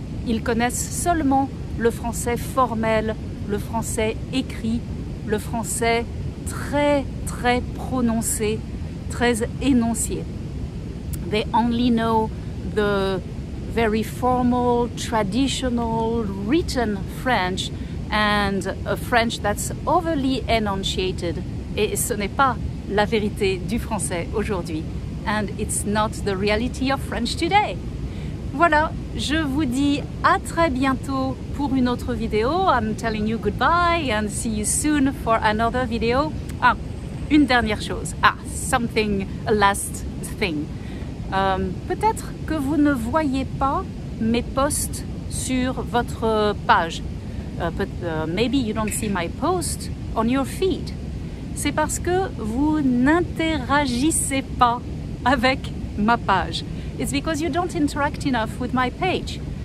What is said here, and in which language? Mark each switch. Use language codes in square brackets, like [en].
[fr] Ils connaissent seulement le français formel, le français écrit, le français très, très prononcé, très énoncé. [en] They only know the very formal, traditional, written French, and a French that's overly enunciated. [fr] Et ce n'est pas la vérité du français aujourd'hui. [en] And it's not the reality of French today. [fr] Voilà, je vous dis à très bientôt pour une autre vidéo. [en] I'm telling you goodbye and see you soon for another video. [fr] Ah, une dernière chose. [en] Ah, something, a last thing. [fr] Peut-être que vous ne voyez pas mes posts sur votre page. [en] Maybe you don't see my post on your feed. [fr] C'est parce que vous n'interagissez pas avec ma page. [en] It's because you don't interact enough with my page.